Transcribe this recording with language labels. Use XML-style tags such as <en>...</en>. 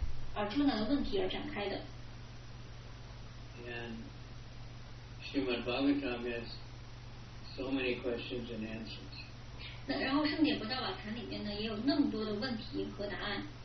<zh>OK，那么就这个《博伽梵歌》，它其实就是基于阿朱那的问题而展开的。</zh> <en>And Srimad Bhagavatam has so many questions and answers.</en> <zh>然后圣典博伽梵坛里面呢，也有那么多的问题和答案。</zh>